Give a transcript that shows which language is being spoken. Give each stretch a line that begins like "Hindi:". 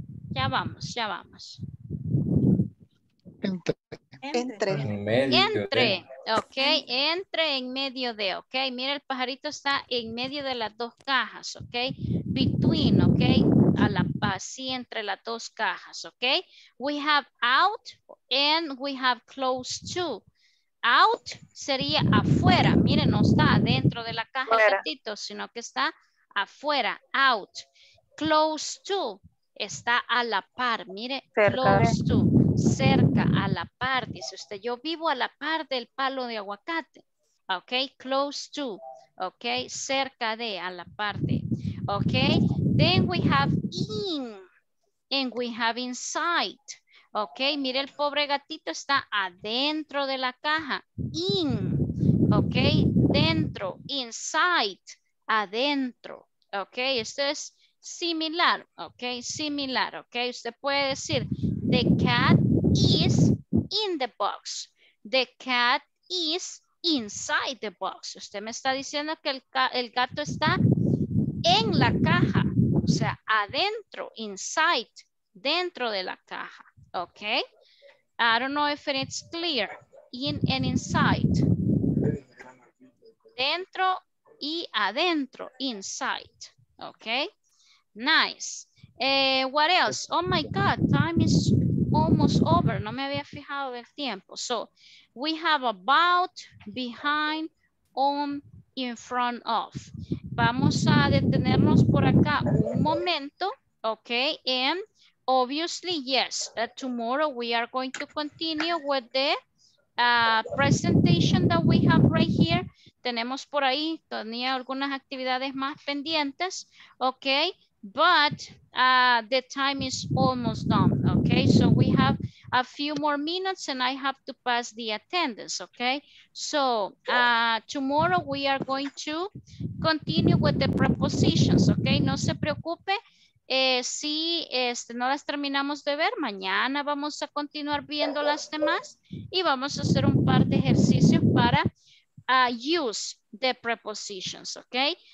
Spanish: Ya vamos, ya vamos. Entre. Entre. Entre, okay, entre en medio de, okay? Mira, el pajarito está en medio de las dos cajas, okay? Between, okay? A la, así entre las dos cajas, ok.
English: We have out and we have close to.
Spanish: Out sería afuera. Miren, no está dentro de la caja, gatito, sino que está afuera. Out. Close to está a la par. Mire, cerca, close to. Cerca, a la par. Dice usted, yo vivo a la par del palo de aguacate. Ok, close to. Ok, cerca de, a la par de. Ok.
English: Then we have in, and we have inside.
Spanish: Okay, mire, el pobre gatito está adentro de la caja. In, okay, dentro, inside, adentro. Okay, esto es similar, okay, similar, okay. Usted puede decir,
English: the cat is in the box. The cat is inside the box.
Spanish: Usted me está diciendo que el gato está en la caja. o sea, adentro, inside, dentro de la caja, ¿ok?
English: I don't know if it's clear, in and inside.
Spanish: Dentro y adentro, inside, ¿ok? Nice.
English: What else? Oh my God, time is almost over.
Spanish: No me había fijado del tiempo.
English: So, we have about, behind, on, in front of.
Spanish: Vamos a detenernos por acá un momento, ¿ok?
English: And obviously, yes, tomorrow we are going to continue with the presentation that we have right here.
Spanish: Tenemos por ahí, tenía algunas actividades más pendientes, ¿ok?
English: But the time is almost done, okay? So we have a few more minutes and I have to pass the attendance, okay? So tomorrow we are going to continue with the prepositions, okay?
Spanish: No se preocupe, si este, no las terminamos de ver, mañana vamos a continuar viendo las demás y vamos a hacer un par de ejercicios para
English: use the prepositions,
Spanish: okay?